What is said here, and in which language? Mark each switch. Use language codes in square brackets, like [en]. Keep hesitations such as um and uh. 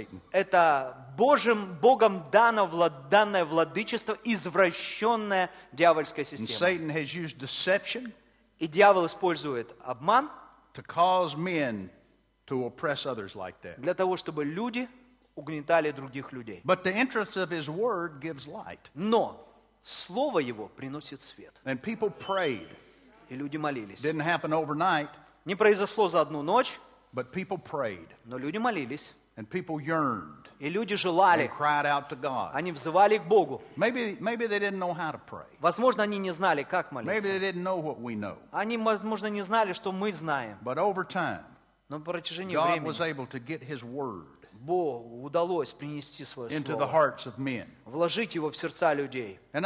[ru] Это Божьим, Богом дано влад, данное владычество, извращенное дьявольской системой. [en] Satan has used deception [ru] и дьявол использует обман [en] to cause men to oppress others like that. [ru] для того, чтобы люди угнетали других людей. [en] But the interest of his word gives light. [ru] Но Слово Его приносит свет. [en] And people prayed. [ru] И люди молились. [en] Didn't happen overnight [ru] не произошло за одну ночь, [en] but people prayed. And people yearned. [ru] И люди [en] And cried out to God. Maybe, maybe they didn't know how to pray. Maybe they didn't know what we know. [ru] Они, возможно, не знали, что мы знаем. [en] But over time, God was able to get his word [ru] Богу удалось принести свое слово, вложить его в сердца людей.